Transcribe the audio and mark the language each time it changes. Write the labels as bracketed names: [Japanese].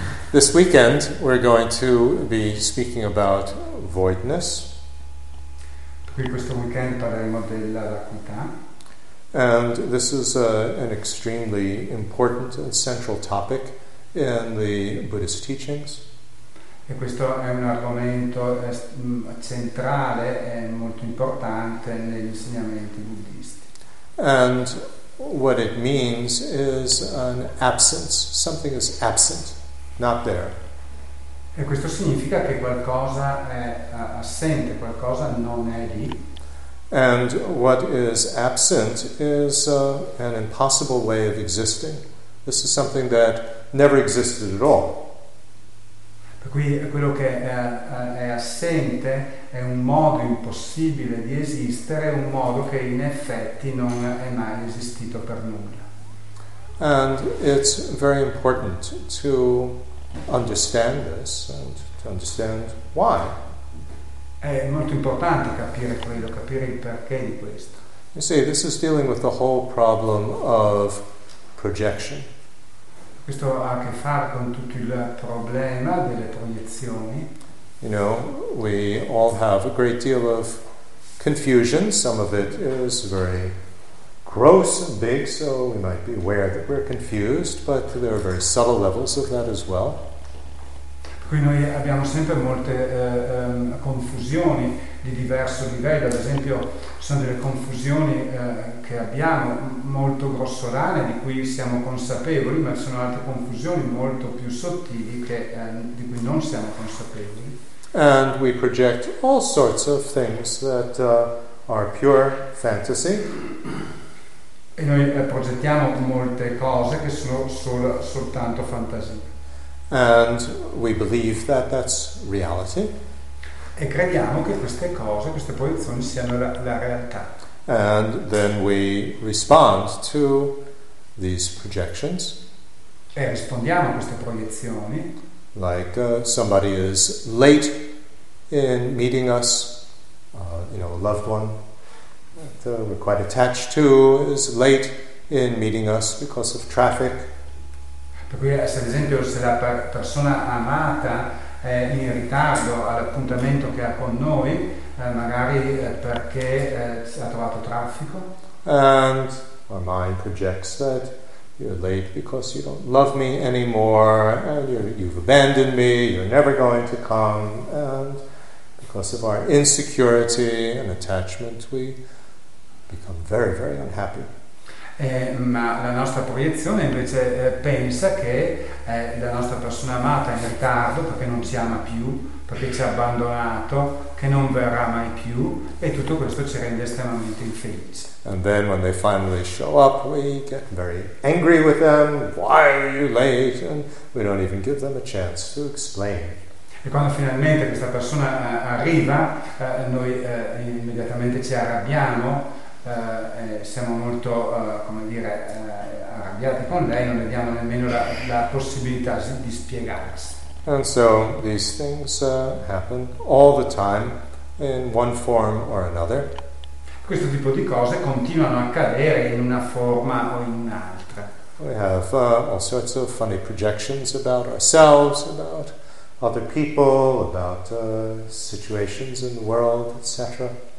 [English] This weekend, we're going to be speaking about voidness. [Italian] Questo weekend parleremo della vacuità. [English] And this is an extremely important and central topic in the Buddhist teachings. [Italian] E questo è un argomento centrale e molto importante negli insegnamenti buddhisti. [English] And what it means is an absence. Something is absent. Not there. [Italian] E questo significa che qualcosa è assente, qualcosa non è lì. [English] And what is absent is an impossible way of existing. This is something that never existed at all. [Italian] Per cui quello che è assente è un modo impossibile di esistere, un modo che in effetti non è mai esistito per nulla. [English] And it's very important to understand this and to understand why. [Italian] È molto importante capire quello, capire il perché di questo. [English] You see, this is dealing with the whole problem of projection. [Italian] Questo ha a che fare con tutto il problema delle proiezioni. [English] You know, we all have a great deal of confusion. Some of it is very gross and big, so we might be aware that we're confused, but there are very subtle levels of that as well. [Italian] Qui noi abbiamo sempre molte confusioni di diverso livello, ad esempio sono delle confusioni che abbiamo molto grossolane di cui siamo consapevoli, ma sono altre confusioni molto più sottili che, di cui non siamo consapevoli. [English] And we project all sorts of things that are pure fantasy. [Italian] E noi progettiamo molte cose che sono soltanto fantasia. [English] And we believe that that's reality. [Italian] E crediamo che queste cose, queste proiezioni siano la realtà. [English] And then we respond to these projections. [Italian] E rispondiamo a queste proiezioni. [English] Like somebody is late in meeting us, you know, a loved one that we're quite attached to is late in meeting us because of traffic. [Italian] Per cui, se ad esempio, se la persona amata è in ritardo all'appuntamento che ha con noi, magari perché ha trovato traffico. [English] And our mind projects that you're late because you don't love me anymore, and you've abandoned me, you're never going to come, and because of our insecurity and attachment, we become very, very unhappy. [Italian] Ma la nostra proiezione invece pensa che la nostra persona amata è in ritardo perché non ci ama più, perché ci ha abbandonato, che non verrà mai più, e tutto questo ci rende estremamente infelici. [English] And then when they finally show up, we get very angry with them. Why are you late? And we don't even give them a chance to explain. [Italian] E quando finalmente questa persona arriva, noi immediatamente ci arrabbiamo. Siamo molto, come dire, arrabbiati con lei, non vediamo nemmeno la possibilità di spiegarsi. [English] And so these things happen all the time in one form or another. [Italian] Questo tipo di cose continuano a accadere in una forma o in un'altra. [English] We have all sorts of funny projections about ourselves, about other people, about situations in the world, etc.